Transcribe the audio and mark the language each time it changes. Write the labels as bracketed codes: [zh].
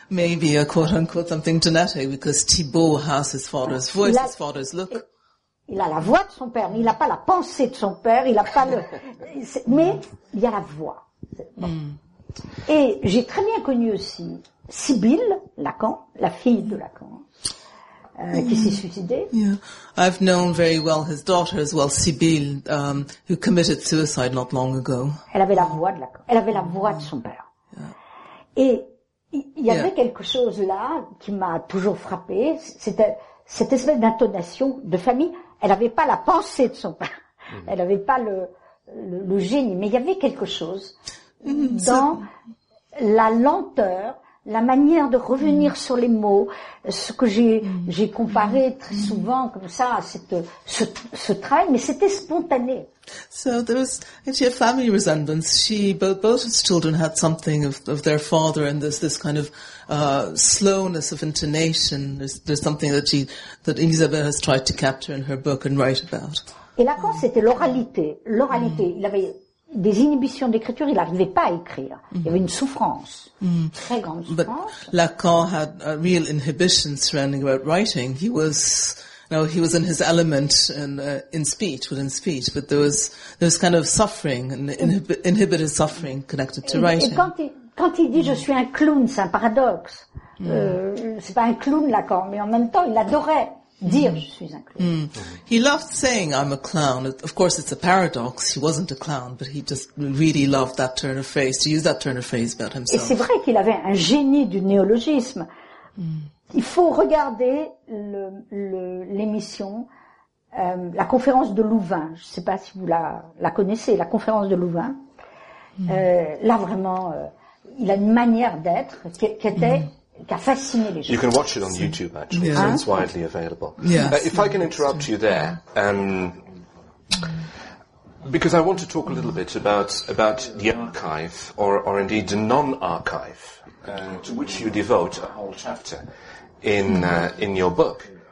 [en] Maybe a quote unquote something genetic, because Thibault has his father's voice, his father's look. [fr] Il a la voix de son père, mais il n'a pas la pensée de son père, il n'a pas le... Mais il y a la voix. Et j'ai très bien connu aussi Sibylle Lacan, la fille de Lacan, qui s'est suicidée. [en] Yeah. I've known very well his daughter as well, Sibylle, who committed suicide not long ago. [fr] Elle avait la voix de Lacan. Elle avait la voix de son père. Yeah. Et il y avait quelque chose là qui m'a toujours frappée. C'était cette espèce d'intonation de famille. Elle n'avait pas la pensée de son père. Mm-hmm. Elle n'avait pas le génie. Mais il y avait quelque chose dans la lenteur, la manière de revenir sur les mots, ce que j'ai comparé très souvent comme ça à ce travail, mais c'était spontané. [en] So there was actually a family resemblance. Both his children had something of their father, and this kind of slowness of intonation. There's something that Elisabeth has tried to capture in her book and write about. [fr] Et Lacan, c'était l'oralité. Il avait des inhibitions d'écriture, il n'arrivait pas à écrire. Mm-hmm. Il y avait une souffrance, très grande souffrance. [en] But Lacan had a real inhibition surrounding about writing. He was in his element in speech, but there was kind of suffering, inhibited suffering connected to writing. [fr] Et quand il dit je suis un clown, c'est un paradoxe. C'est pas un clown Lacan, mais en même temps il adorait dire je suis un clown. [en] He loved saying I'm a clown. Of course it's a paradox, he wasn't a clown, but he just really loved that turn of phrase, to use that turn of phrase about himself. [fr] Et c'est vrai qu'il avait un génie du néologisme. Il faut regarder l'émission, la conférence de Louvain. Je ne sais pas si vous la connaissez, la conférence de Louvain. Là, vraiment, il a une manière d'être qui a fasciné les gens. [en] You can watch it on YouTube, actually. Yeah. So it's widely available. Yes. If I can interrupt you there, because I want to talk a little bit about the archive, or indeed the non-archive, to which you devote a whole chapter in your book.